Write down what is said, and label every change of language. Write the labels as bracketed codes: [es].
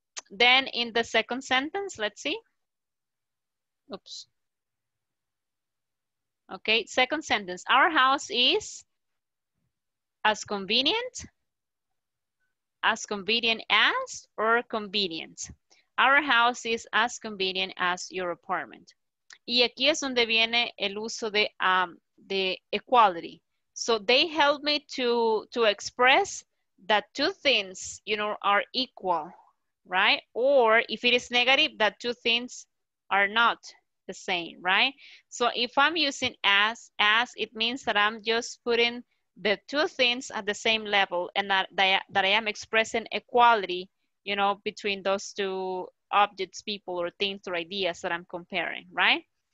[en] Then in the second sentence, let's see. Oops. Okay, second sentence. Our house is as convenient as or convenient. Our house is as convenient as your apartment. [es] Y aquí es donde viene el uso de equality. [en] So they help me to express that two things, you know, are equal, right? Or if it is negative, that two things are not the same, right? So if I'm using as, it means that I'm just putting the two things at the same level and that I am expressing equality, you know, between those two objects, people, or things or ideas that I'm comparing, right?